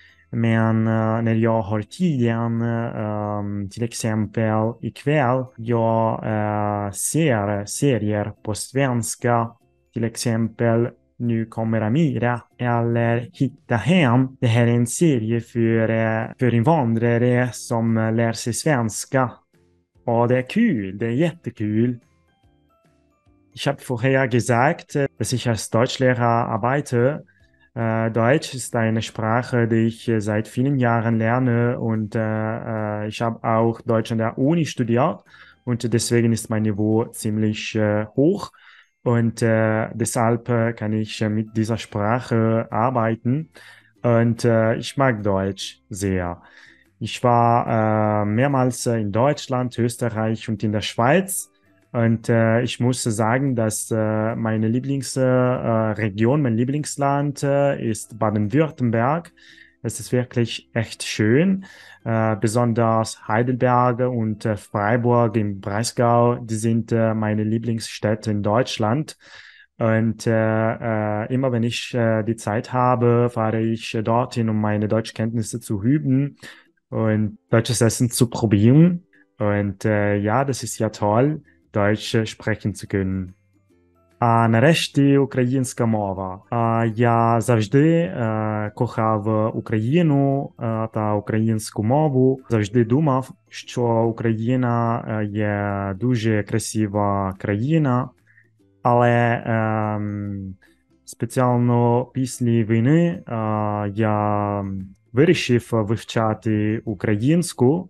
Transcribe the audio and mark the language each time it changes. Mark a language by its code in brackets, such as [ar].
[sv] Men när jag har tiden, till exempel ikväll, jag ser serier på svenska. Till exempel Nu kommer Amira eller Hitta hem. Det här är en serie för invandrare som lär sig svenska. Och det är kul, det är jättekul. [de] Ich habe vorher gesagt, dass ich als Deutschlehrer arbeite. Deutsch ist eine Sprache, die ich seit vielen Jahren lerne und ich habe auch Deutsch an der Uni studiert und deswegen ist mein Niveau ziemlich hoch und deshalb kann ich mit dieser Sprache arbeiten und ich mag Deutsch sehr. Ich war mehrmals in Deutschland, Österreich und in der Schweiz. Und ich muss sagen, dass meine Lieblingsregion, mein Lieblingsland ist Baden-Württemberg. Es ist wirklich echt schön. Besonders Heidelberg und Freiburg im Breisgau, die sind meine Lieblingsstädte in Deutschland. Und immer wenn ich die Zeit habe, fahre ich dorthin, um meine Deutschkenntnisse zu üben und deutsches Essen zu probieren. Und ja, das ist ja toll. Deutsch sprechen zu können. [pl] A nareszcie ukraińska mowa. Ja zawsze kochał Ukrainę ta ukraińską mowę. Zawsze [uk] думав, що Україна є дуже красива країна. Але спеціально після війни я вирішив вивчати українську.